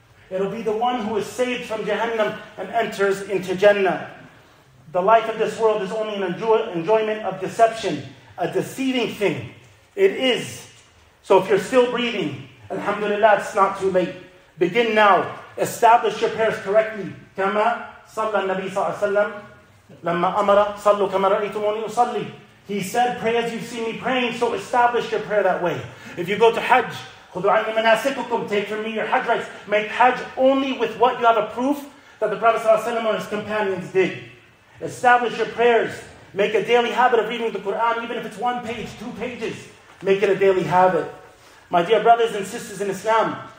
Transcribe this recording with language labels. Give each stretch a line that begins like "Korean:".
English: It'll be the one who is saved from Jahannam and enters into Jannah. The life of this world is only an enjoyment of deception, a deceiving thing. It is. So if you're still breathing, alhamdulillah, it's not too late. Begin now. Establish your prayers correctly.
Arabic: كما صلى النبي صلى الله عليه وسلم لما أمر صلوا كما رأيتموني أصلي.
English: He said, pray as you've seen me praying, so establish your prayer that way. If you go to hajj,
Arabic: خذوا عني مناسككم,
English: take from me your hajj rites. Make hajj only with what you have a proof that the Prophet صلى الله عليه وسلم or his companions did. Establish your prayers. Make a daily habit of reading the Quran, even if it's one page, 2 pages. Make it a daily habit. My dear brothers and sisters in Islam,